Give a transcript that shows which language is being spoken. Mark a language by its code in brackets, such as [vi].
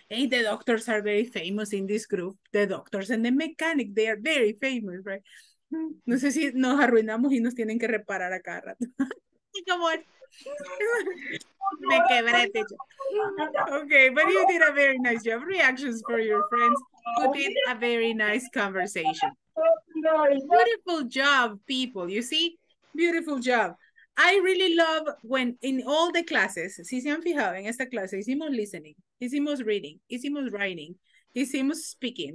[en] Hey, the doctors are very famous in this group. The doctors and the mechanic, they are very famous, right? [es] No sé si nos arruinamos y nos tienen que reparar a cada rato. [en] Come on. [es] Me quebré, techo. [en] Okay, but you did a very nice job. Reactions for your friends. You did a very nice conversation. Beautiful job, people. You see? Beautiful job. I really love when in all the classes, [es] si se han fijado en esta clase, hicimos listening, hicimos reading, hicimos writing, hicimos speaking.